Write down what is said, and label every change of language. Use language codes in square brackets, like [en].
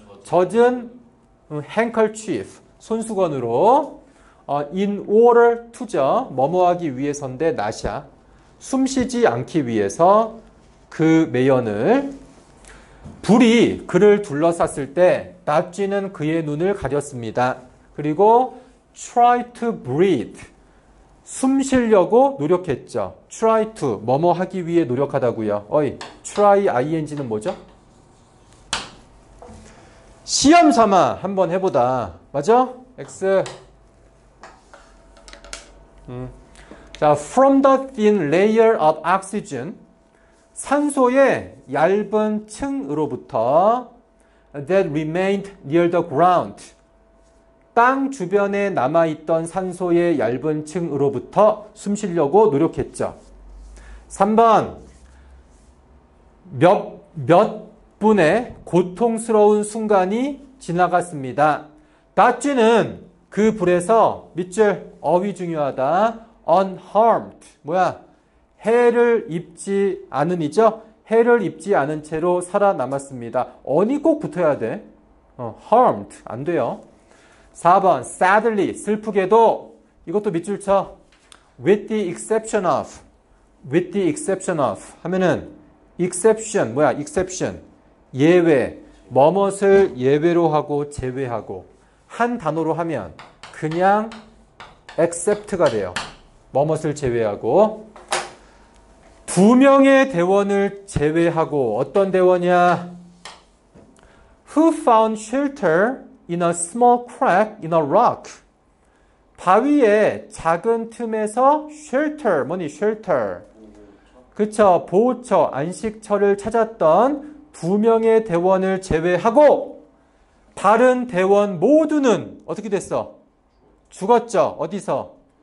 [ko] 젖은 handkerchief, 손수건으로. In order to죠. 뭐뭐하기 위해서인데 not야. 숨쉬지 않기 위해서 그 매연을. 불이 그를 둘러쌌을 때 not지는 그의 눈을 가렸습니다. [en] 그리고 try to breathe. [ko] 숨 쉬려고 노력했죠. Try to 뭐뭐 하기 위해 노력하다고요. 어이, try ing는 뭐죠? 시험 삼아 한번 해보다. 맞죠? X. [en] 자, from the thin layer of oxygen, [ko] 산소의 얇은 층으로부터 [en] that remained near the ground. [ko] 땅 주변에 남아있던 산소의 얇은 층으로부터 숨 쉬려고 노력했죠. 3번. 몇 분의 고통스러운 순간이 지나갔습니다. 다쥐는 그 불에서, 밑줄, 어휘 중요하다. unharmed. 뭐야? 해를 입지 않은이죠? 해를 입지 않은 채로 살아남았습니다. 언이 꼭 붙어야 돼. harmed. 안 돼요. 4번, sadly, 슬프게도, 이것도 밑줄 쳐. [en] With the exception of, with the exception of 하면은 exception 뭐야? [ko] exception 예외 뭐뭇을 예외로 하고 제외하고 한 단어로 하면 그냥 except가 돼요. 뭐뭇을 제외하고 두 명의 대원을 제외하고 어떤 대원이야? [en] Who found shelter in a small crack in a rock? [ko] 바위에 작은 틈에서 shelter, 뭐니? shelter. 그쵸? 보호처, 안식처를 찾았던 두 명의 대원을 제외하고 다른 대원 모두는 어떻게 됐어? 죽었죠? 어디서?